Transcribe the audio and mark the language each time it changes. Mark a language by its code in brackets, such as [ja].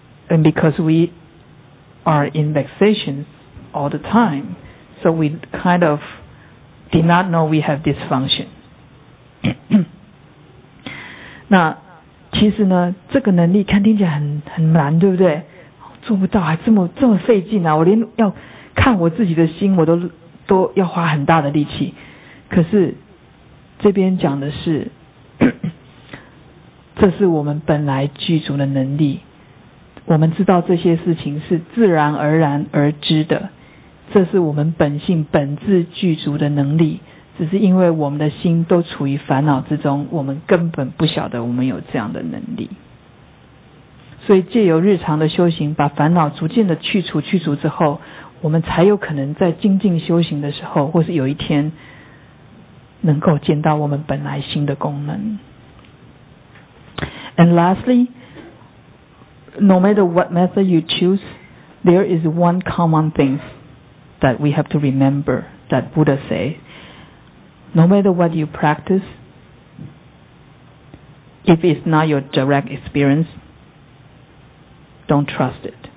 [en] And because we are in vexation all the time, So we kind of did not know we have this function. [zh] 那其实呢，这个能力看听起来很难，对不对？做不到，还这么费劲啊！我连要看我自己的心，我都要花很大的力气。可是这边讲的是，这是我们本来具足的能力。我们知道这些事情是自然而然而知的，这是我们本性本质具足的能力，只是因为我们的心都处于烦恼之中，我们根本不晓得我们有这样的能力。所以借由日常的修行，把烦恼逐渐的去除之后，我们才有可能在精进修行的时候，或是有一天能够见到我们本来心的功能。 [en] And lastlyNo matter what method you choose, there is one common thing that we have to remember that Buddha said. No matter what you practice, if it's not your direct experience, don't trust it.